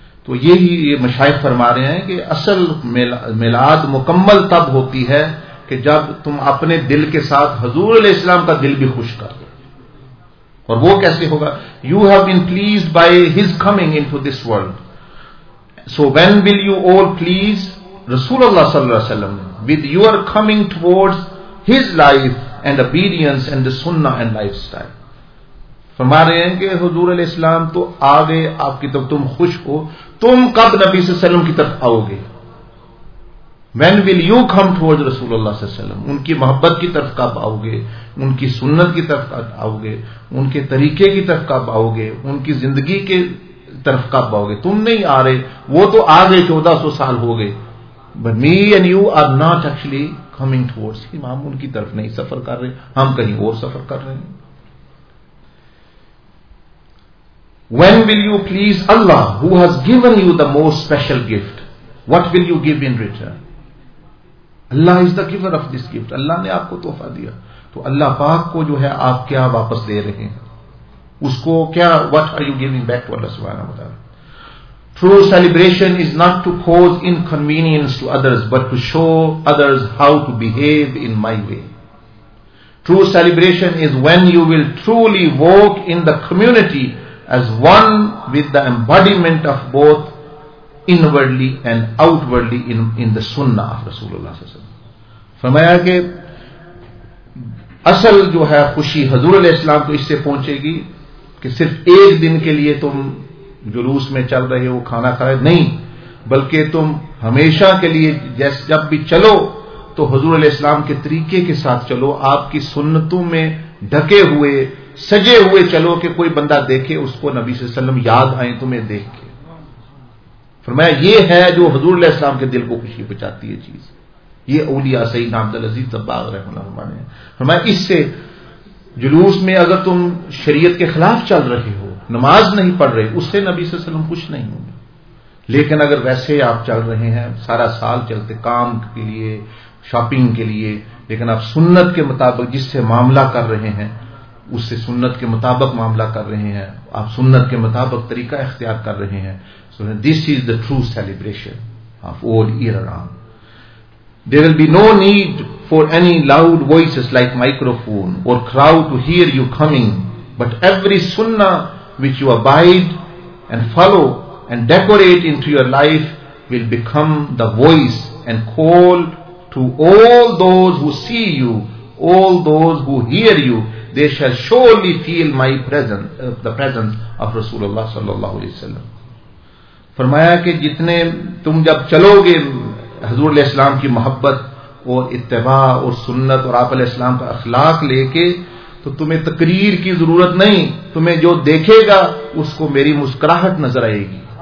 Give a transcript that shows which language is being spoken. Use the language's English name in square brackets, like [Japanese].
[Urdu] تو یہی یہ مشائخ فرما رہے ہیں کہ اصل میلاد مکمل تب ہوتی ہے کہ جب تم اپنے دل کے ساتھ حضور علیہ السلام کا دل بھی خوش کر دو. اور وہ کیسے ہوگا, [English] You have been pleased by his coming into this world So when will you all please Rasulullah sallallahu alaihi wasallam with your coming towards his life and obedience and the sunnah and lifestyle? [Urdu] فرمایا رہے ہیں کہ حضور علیہ السلام تو آگے آپ کی طرف تم خوش ہو, تم کب نبی صلی اللہ علیہ وسلم کی طرف آؤ گے؟ [English] When will you come towards [Urdu] رسول اللہ صلی اللہ علیہ وسلم, ان کی محبت کی طرف کب آؤ گے, ان کی سنت کی طرف کب آؤ گے, ان کے طریقے کی طرف کب آؤ گے, ان کی زندگی کے طرف کب آؤ گے؟ تم نہیں آ رہے, وہ تو آ گئے 1400 سال ہو گئے, [English] but me and you are not actually coming towards him. [Urdu] ہم ان کی طرف نہیں سفر کر رہے, ہم کہیں اور سفر کر رہے ہیں. [English] When will you please Allah who has given you the most special gift? What will you give in return? Allah is the giver of this gift. [Urdu] Allah نے آپ کو تحفہ دیا, تو اللہ پاک کو جو ہے آپ کیا واپس دے رہے ہیں اس کو کیا, [English] what are you giving back to Allah سبحانہ وتعالی؟ True celebration is not to cause inconvenience to others but to show others how to behave in my way. True celebration is when you will truly walk in the community as one with the embodiment of both inwardly and outwardly in the sunnah of Rasulullah صلی اللہ علیہ وسلم. [Urdu] فرمایا کہ اصل جو ہے خوشی حضور علیہ السلام کو اس سے پہنچے گی کہ صرف ایک دن کے لیے تم جلوس میں چل رہے ہو کھانا کھا رہے, نہیں بلکہ تم ہمیشہ کے لیے جیسے جب بھی چلو تو حضور علیہ السلام کے طریقے کے ساتھ چلو, آپ کی سنتوں میں ڈھکے ہوئے سجے ہوئے چلو کہ کوئی بندہ دیکھے اس کو نبی صلی اللہ علیہ وسلم یاد آئیں تمہیں دیکھ کے. فرمایا یہ ہے جو حضور علیہ السلام کے دل کو خوشی پہنچاتی ہے چیز, یہ اولیاء سیدنا عبدالعزیز تباغ رحمہ اللہ علیہ. فرمایا اس سے جلوس میں اگر تم شریعت کے خلاف چل رہے ہو, نماز نہیں پڑھ رہے, اس سے نبی صلی اللہ علیہ وسلم خوش نہیں ہوں گے. لیکن اگر ویسے ہی آپ چل رہے ہیں سارا سال چلتے کام کے لیے شاپنگ کے لیے, لیکن آپ سنت کے مطابق جس سے معاملہ کر رہے ہیں اس سے سنت کے مطابق معاملہ کر رہے ہیں, آپ سنت کے مطابق طریقہ اختیار کر رہے ہیں, سنت, [English] this is the true celebration of all year round. There will be no need for any loud voices like microphone or crowd to hear you coming, but every sunnah which you abide and follow and decorate into your life will become the voice and call to all those who see you, all those who hear you, they shall surely feel my presence, the presence of Rasulullah sallallahu alaihi wasallam. [Urdu] فرمایا کہ جتنے تم جب چلو گے حضور علیہ السلام کی محبت اور اتباع اور سنت اور آپ علیہ السلام کا اخلاق لے کے, تو تمہیں تقریر کی ضرورت نہیں, تمہیں جو دیکھے گا اس کو میری مسکراہٹ نظر آئے گی,